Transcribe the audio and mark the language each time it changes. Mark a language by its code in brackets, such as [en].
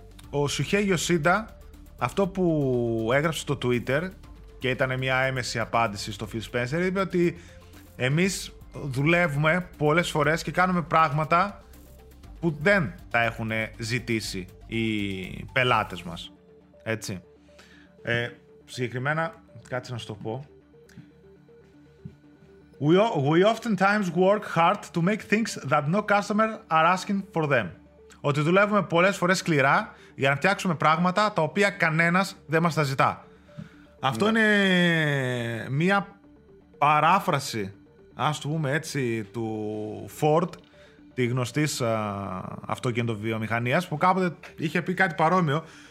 [el] Ο Shuhei Yoshida, αυτό που έγραψε στο Twitter και ήταν μια έμεση απάντηση στο Phil Spencer, είπε ότι εμείς δουλεύουμε πολλές φορές και κάνουμε πράγματα που δεν τα έχουν ζητήσει οι πελάτες μας. Έτσι. Συγκεκριμένα, κάτσε να σου το πω. [en] We oftentimes work hard to make things that no customer are asking for them. [el] Ότι δουλεύουμε πολλές φορές σκληρά για να φτιάξουμε πράγματα τα οποία κανένας δεν μας τα ζητά. Αυτό είναι μία παράφραση, ας το πούμε έτσι, του Ford, τη γνωστής αυτοκινητοβιομηχανίας, που κάποτε είχε πει κάτι παρόμοιο.